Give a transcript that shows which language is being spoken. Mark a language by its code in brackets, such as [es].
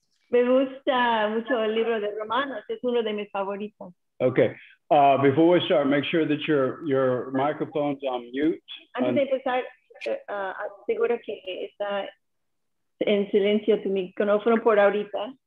[es] Me gusta mucho el libro de Romanos. Es uno de mis favoritos. [en] Okay. Before we start, make sure that your microphone's on mute. [es] Antes de empezar, aseguro que está en silencio tu micrófono por ahorita.